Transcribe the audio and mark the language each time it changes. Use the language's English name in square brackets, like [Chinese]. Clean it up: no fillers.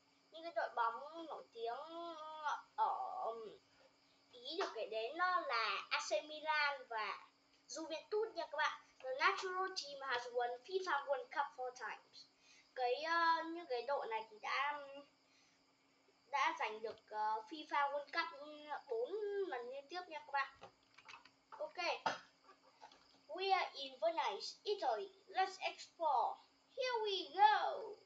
[Vietnamese] Những cái đội bóng nổi tiếng ở Ý được kể đến là AC Milan và Juventus nha các bạn. [English] The national team has won FIFA World Cup 4 times. [Vietnamese] Những cái đội này thì đã giành được FIFA World Cup 4 lần liên tiếp nha các bạn. [English] Ok. We are in Venice, Italy. Let's explore. Here we go.